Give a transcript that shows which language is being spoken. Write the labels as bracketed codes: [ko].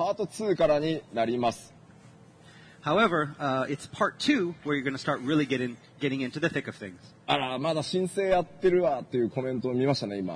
[ja] しかし、核心にいよいよ行月のね、方へ差し掛かるのは当然パート2からになります。 [en] However, it's part 2 where you're going to start really getting into the thick of things. [ja] あら、まだ申請やってるわっていうコメントを見ましたね、今。